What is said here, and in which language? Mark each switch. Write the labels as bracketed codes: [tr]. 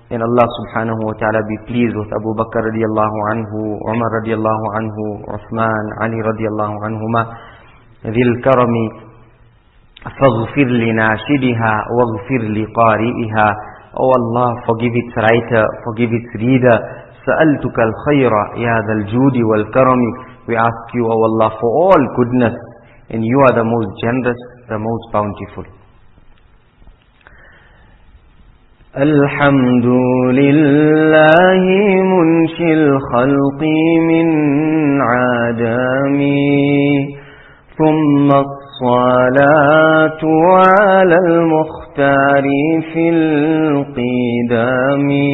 [en] And Allah subhanahu wa ta'ala be pleased with Abu Bakr radiallahu anhu, Umar radiallahu anhu, Uthman, Ali radiallahu anhuma. [ar] ذِي الْكَرَمِ فَغْفِرْ لِنَاشِدِهَا وَغْفِرْ لِقَارِئِهَا. [en] O Allah, forgive its writer, forgive its reader. [ar] سألتك الخير يا ذا الجود والكرم. [en] We ask you, O Allah, for all goodness, and you are the most generous, the most bountiful. [ar] الحمد لله منشي الخلق من عدمي، ثم الصلاة على المختار في القدم.